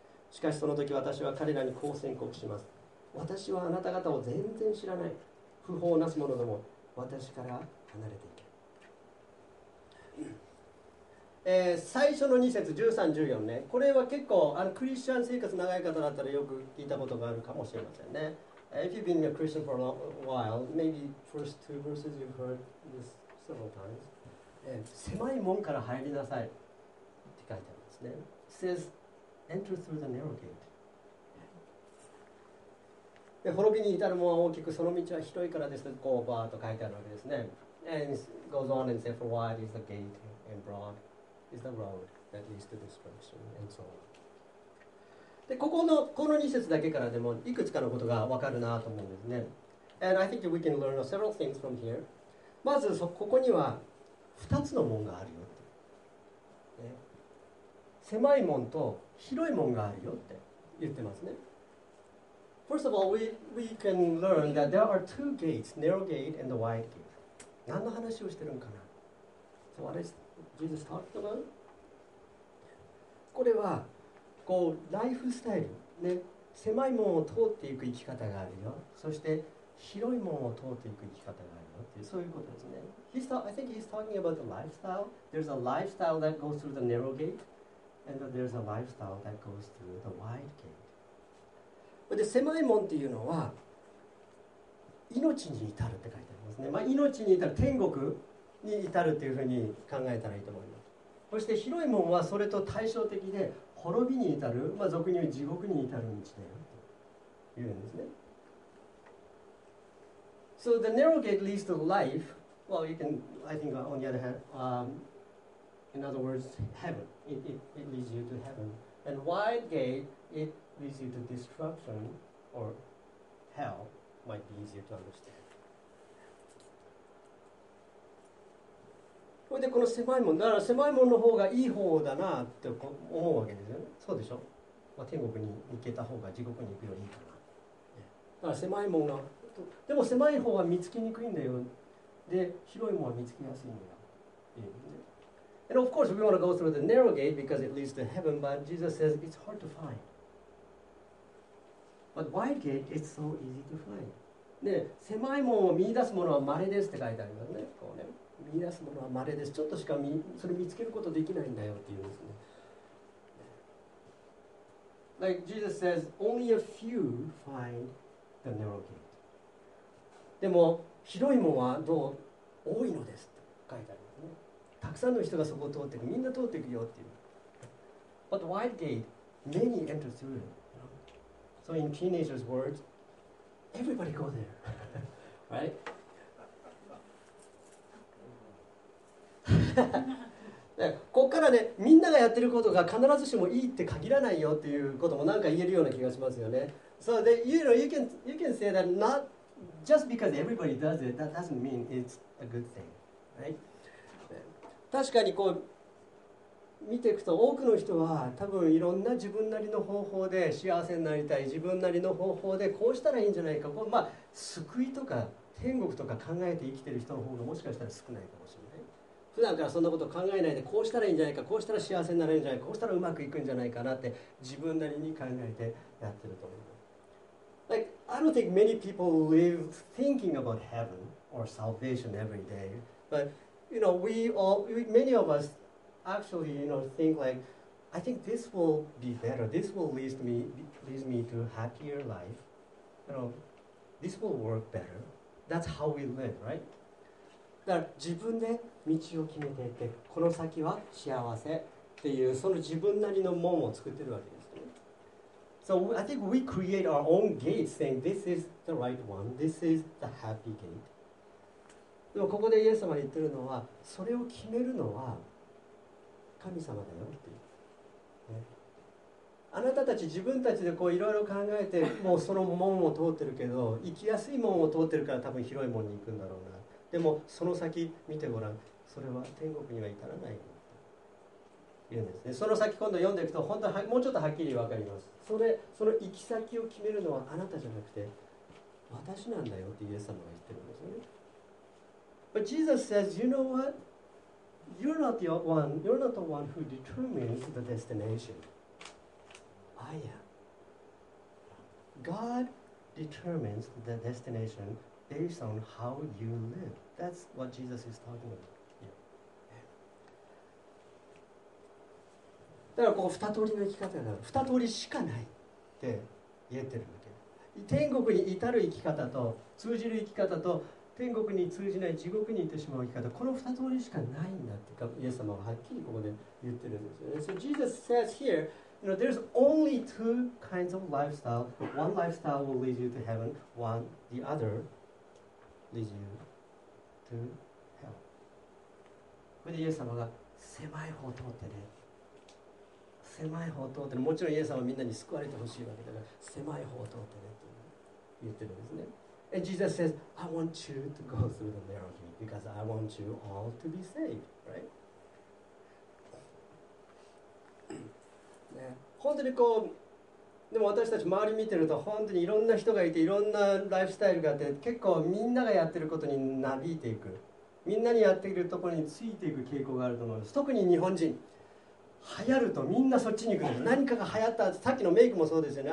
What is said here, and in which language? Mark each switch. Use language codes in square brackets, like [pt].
[ja] しかしその時私は彼らにこう宣告します。私はあなた方を全然知らない。不法をなす者ども、私から離れていけ。最初の2節13、14ね、これは結構クリスチャン生活長い方だったらよく聞いたことがあるかもしれませんね。 [en] If you've been a Christian for a long while, maybe first two verses you've heard this several times. [ja] 狭い門から入りなさいって書いてあるんですね。 [en] It says, enter through the narrow gate. [ja] 滅びに至る門は大きく、その道は広いからですと、こうバーッと書いてあるわけですね。 [en] And it goes on and says, for wide is the gate and broad is the road that leads to destruction, and so on. [ja] で、この2節だけからでもいくつかのことがわかるなと思うんですね。 [en] And I think we can learn several things from here. [ja] まずここには2つの門があるよって、ね。狭い門と広い門があるよって言ってますね。 [en] First of all, we can learn that there are two gates, narrow gate and the wide gate. [ja] 何の話をしてるのかな ? [en] So what is Jesus talking about? [ja] これはこうライフスタイル、ね、狭い門を通っていく生き方があるよ、そして広い門を通っていく生き方があるよっていう、そういうことですね。 [en] I think he's talking about the lifestyle. There's a lifestyle that goes through the narrow gate, and there's a lifestyle that goes through the wide gate. [ja] で、狭い門っていうのは命に至るって書いてありますね。まあ、命に至る、天国に至るっていうふうに考えたらいいと思います。そして広い門はそれと対照的で、滅びに至る、まあ、俗に言う地獄に至る道だよというんですね。 [en] So the narrow gate leads to life. Well, you can, I think, on the other hand, in other words, heaven. It leads you to heaven. And wide gate, it leads you to destruction or hell. Might be easier to understand. [ja] それでこの狭いもんだから、狭いものの方がいい方だなって思うわけですよね。そうでしょ、まあ、天国に行けた方が地獄に行くよりいいかな。だから狭いもんが、でも狭い方は見つけにくいんだよ。で、広いもんは見つけやすいんだよ。 [en] And of course we want to go through the narrow gate because it leads to heaven, but Jesus says it's hard to find. But wide gate, it's so easy to find. [ja] で、狭いもんを見出すものは稀ですって書いてありますね。こうね、見出すものは稀です。ちょっとしかそれ見つけることできないんだよっていうんですね。 [en] Like Jesus says, only a few find the narrow gate. [ja] でも、広いもんはどう多いのですと書いてあるんですね。たくさんの人がそこを通っていく。みんな通っていくよっていう。 [en] But the wide gate, many enter through it. So in teenagers' words, everybody go there. right? [ja] ここからね、みんながやってることが必ずしもいいって限らないよっていうこともなんか言えるような気がしますよね。 [en] So the, you know, you can say that not just because everybody does it, that doesn't mean it's a good thing, right? [ja] 確かにこう見ていくと、多くの人は多分いろんな自分なりの方法で幸せになりたい、自分なりの方法でこうしたらいいんじゃないか、こう、まあ、救いとか天国とか考えて生きてる人の方がもしかしたら少ないかもしれない。普段からそんなこと考えないで、こうしたらいいんじゃないか、こうしたら幸せになれるんじゃないか、こうしたらうまくいくんじゃないかなって自分なりに考えてやってると思う。 [en] Like, I don't think many people live thinking about heaven or salvation every day. But, you know, many of us actually, you know, think like, I think this will be better. This will lead me to a happier life. You know, this will work better. That's how we live, right? [ja] だから自分で道を決めていって、この先は幸せっていう、その自分なりの門を作ってるわけですね。 [en] So I think we create our own gate saying this is the right one, this is the happy gate. [ja] でもここでイエス様が言ってるのは、それを決めるのは神様だよっていう、ね。あなたたち自分たちでこういろいろ考えて、もうその門を通ってるけど、行きやすい門を通ってるから多分広い門に行くんだろうな。でもその先見てごらん、それは天国には至らないというんですね。その先今度読んでいくと、本当はもうちょっとはっきり分かります。その行き先を決めるのはあなたじゃなくて私なんだよってイエス様が言ってるんですね。 [en] But Jesus says, you know what? You're not the one who determines the destination. I am. God determines the destinationBased on how you live. That's what Jesus is talking about. [ja] だからこう二通りの生き方がある。二通りしかないって言ってるわけ。天国に至る生き方と通じる生き方と天国に通じない地獄に行ってしまう生き方、この二通りしかないんだってイエス様ははっきりここで言ってるんですよね。 [en] So Jesus says here, you know, there's only two kinds of lifestyle. One lifestyle will lead you to heaven. One, the other, leads you to hell. [ja] これでイエス様が狭い方を通ってね、狭い方を通ってね、もちろんイエス様はみんなに救われてほしいわけだから、狭い方を通ってねと言ってるんですね。 [en] And Jesus says, I want you to go through the narrow gate because I want you all to be saved, right? [ja] ね、本当にこう、でも私たち周り見てると本当にいろんな人がいて、いろんなライフスタイルがあって、結構みんながやってることになびいていく、みんなにやっているところについていく傾向があると思います。特に日本人、流行るとみんなそっちに行くの。何かが流行った、さっきのメイクもそうですよね。